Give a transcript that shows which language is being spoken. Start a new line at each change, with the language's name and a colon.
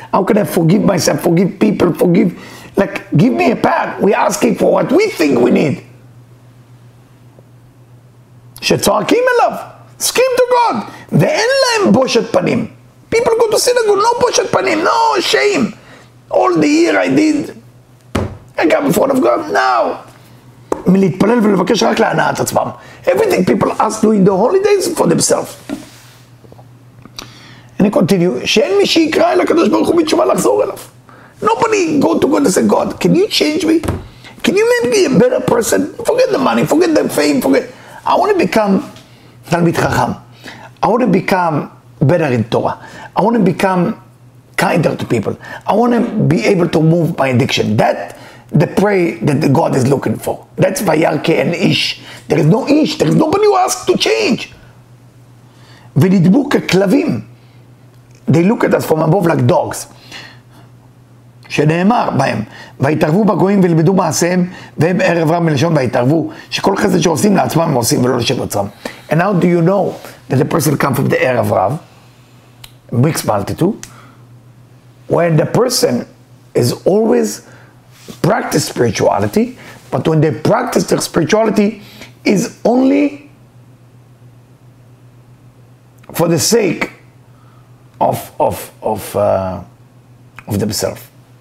English: How can I forgive myself? Forgive people. Forgive. Like, give me a path. We're asking for what we think we need.
Hebrew: Shetzorakim elav.
English: Skim to God.
Hebrew: Ve'en lahem boshet panim.
English: People go to synagogue, no boshet panim, no shame. All the year I did, I got in front of God.
Hebrew: Now, מלהתפלל ולבקש רק להנעת עצמם.
English: Everything people ask during the holidays for themselves. And I continue,
Hebrew: שאין מי שיקרא אל הקדוש ברוך הוא בתשובה לחזור אליו.
English: Nobody go to God and say, God, can you change me? Can you make me a better person? Forget the money, forget the fame, forget. I want to become Talmid Chacham. I want to become better in Torah. I want to become kinder to people. I want to be able to move my addiction. That the prey that the God is looking for. That's Vayarke and Ish. There is no Ish. There is nobody who asks to change.
Hebrew: Venidbu keklavim.
English: They look at us from above like dogs.
Hebrew: שנאמר בהם, והתערבו בגויים ולמדו מעשיהם, והם ערב רב מלשון והתערבו, שכל חסד שעושים לעצמם הם עושים ולא לשם עצמם.
English: And how do you know that the person comes from the ערב רב, mixed multitude, when the person is always practice spirituality, but when they practice their spirituality is only for the sake of themselves.